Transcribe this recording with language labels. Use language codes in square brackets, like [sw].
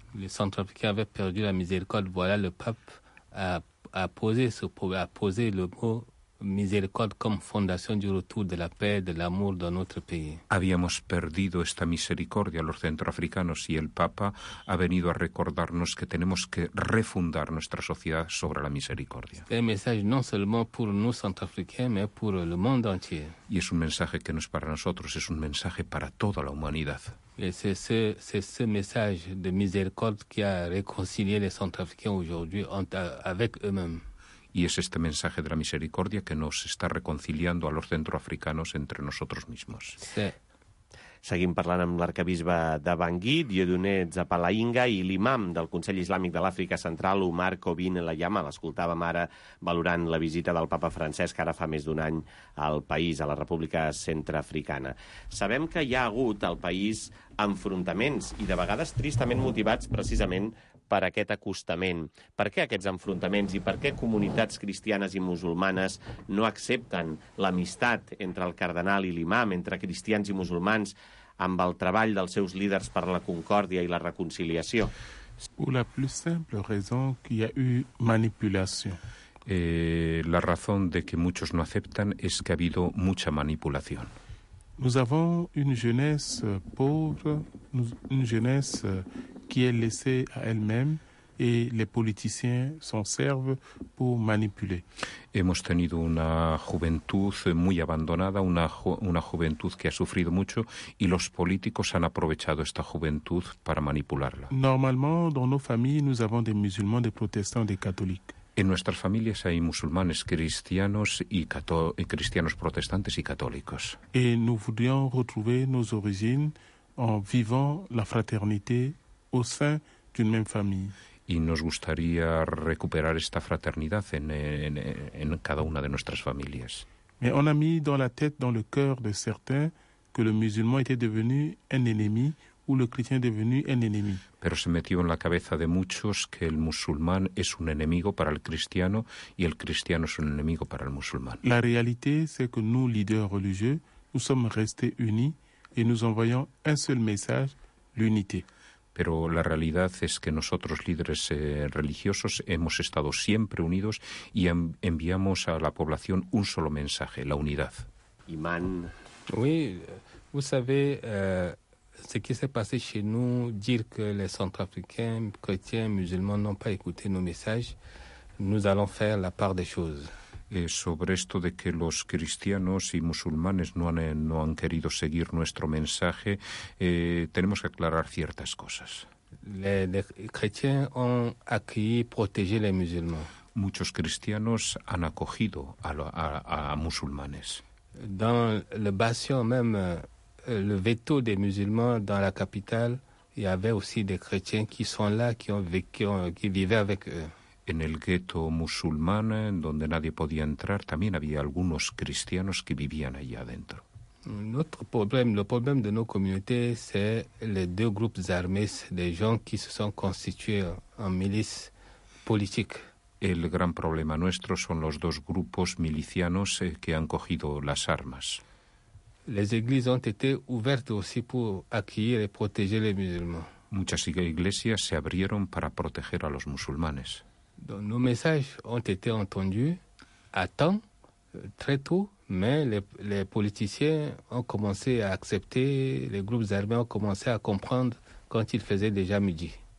[fr] Les Centrafricains avaient perdu la miséricorde. Voilà, le pape a posé le mot miséricorde comme fondation du retour de la paix, de l'amour dans notre pays. [es] Habíamos perdido esta misericordia los centroafricanos y el Papa ha venido a recordarnos que tenemos que refundar nuestra sociedad sobre la misericordia. [fr] Un message non seulement pour nous centrafricains mais pour le monde entier. [es] Y es un mensaje que no es para nosotros, es un mensaje para toda la humanidad. [fr] Et c'est ce message de miséricorde qui a réconcilié les centrafricains aujourd'hui avec eux-mêmes. [es] Y es este mensaje de la misericordia que nos está reconciliando a los centroafricanos entre nosotros mismos. Sí. [ca] Seguim parlant amb l'arcabisbe de Bangui, Diodoné Zapalainga, i l'imam del Consell Islàmic de l'Àfrica Central, Omar Kobin Layama. L'escoltàvem ara valorant la visita del papa Francesc ara fa més d'un any al país, a la República Centreafricana. Sabem que hi ha hagut al país enfrontaments i de vegades tristament motivats precisament per aquest acostament. Per què aquests enfrontaments i per què comunitats cristianes i musulmanes no accepten l'amistat entre el cardenal i l'imam, entre cristians i musulmans, amb el treball dels seus líders per la concòrdia i la reconciliació? [fr] La plus simple raison que hi ha eu manipulació. [es] La razón de que muchos no aceptan es que ha habido mucha manipulación. [fr] Nous avons une jeunesse pauvre, une jeunesse qui est laissée à elle-même et les politiciens s'en servent pour manipuler. [es] Hemos tenido una juventud muy abandonada, una juventud que ha sufrido mucho y los políticos han aprovechado esta juventud para manipularla. [fr] Normalement, dans nos familles, nous avons des musulmans, des protestants, des catholiques. [es] En nuestras familias hay musulmanes, cristianos y cristianos protestantes y católicos. [fr] Et nous voudrions retrouver nos origines en vivant la fraternité au sein d'une même famille. [es] Y nos gustaría recuperar esta fraternidad en cada una de nuestras familias. [fr] Mais on a mis dans la tête, dans le cœur de certains, que le musulman était devenu un ennemi ou le chrétien est devenu un ennemi. [es] Pero se metió en la cabeza de muchos que el musulmán es un enemigo para el cristiano y el cristiano es un enemigo para el musulmán. [fr] La réalité c'est que nous leaders religieux nous sommes restés unis et nous envoyons un seul message, l'unité. [es] Pero la realidad es que nosotros, líderes religiosos, hemos estado siempre unidos y enviamos a la población un solo mensaje, la unidad. Imán. [fr] Oui, vous savez, ce qui s'est passé chez nous, dire que les centrafricains, chrétiens, musulmans n'ont pas écouté nos messages, nous allons faire la part des choses. [es] Sobre esto de que los cristianos y musulmanes no han querido seguir nuestro mensaje, tenemos que aclarar ciertas cosas. [fr] Les chrétiens ont accueilli, protégé les musulmans. [es] Muchos cristianos han acogido a musulmanes. [fr] Dans le bastion même, le veto des musulmans dans la capitale, il y avait aussi des chrétiens qui sont là, qui vivaient avec eux. [es] En el gueto musulmán, donde nadie podía entrar, también había algunos cristianos que vivían allá adentro. [fr] Notre problème, le problème de nos communautés, c'est les deux groupes armés, des gens qui se sont constitués en milice politique. [es] El gran problema nuestro son los dos grupos milicianos que han cogido las armas. [fr] Les églises ont été ouvertes aussi pour accueillir et protéger les musulmans. [es] Muchas iglesias se abrieron para proteger a los musulmanes. [fr] Donc, nos messages ont été entendus à temps, très tôt, mais les politiciens ont commencé à accepter, les groupes armés ont commencé à comprendre quand il faisait déjà midi.